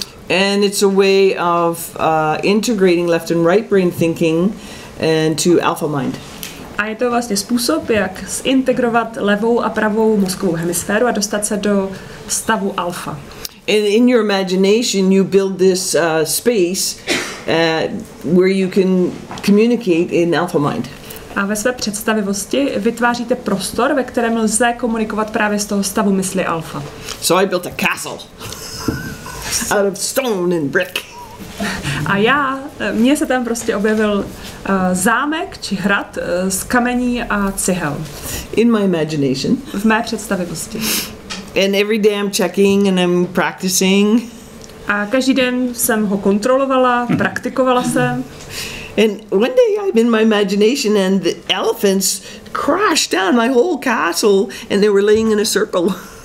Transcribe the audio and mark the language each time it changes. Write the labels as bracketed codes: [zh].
[en] And it's a way of integrating left and right brain thinking and to alpha mind. [cs] A je to vlastně způsob, jak zintegrovat levou a pravou mozkovou hemisféru a dostat se do stavu alfa. [en] In your imagination you build this space where you can communicate in alpha mind. [cs] A ve své představivosti vytváříte prostor, ve kterém lze komunikovat právě z toho stavu mysli alfa. [en] So I built a castle out of stone and brick. [cs] A já, mně se tam prostě objevil zámek či hrad z kamení a cihel. [en] In my imagination. [cs] V mé představivosti. [en] And every day I'm checking and I'm practicing. [cs] A každý den jsem ho kontrolovala, praktikovala jsem. [en] And one day I'm in my imagination and the elephants crashed down my whole castle and they were laying in a circle.